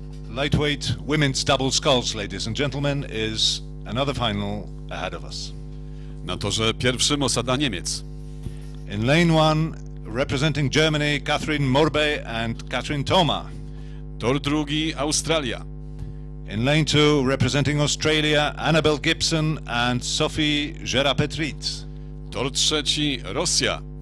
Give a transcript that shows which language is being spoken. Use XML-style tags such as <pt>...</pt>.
<en>Lightweight women's double sculls, ladies and gentlemen, is another final ahead of us.</en> <pl>Na torze pierwszym osada Niemiec.</pl> <en>In lane one, representing Germany, Catherine Morbey and Catherine Thoma.</en> <pl>Tor drugi, Australia.</pl> <en>In lane two, representing Australia, Annabel Gibson and Sophie Gerapetrit.</en> <pl>Tor trzeci, Rosja.</pl>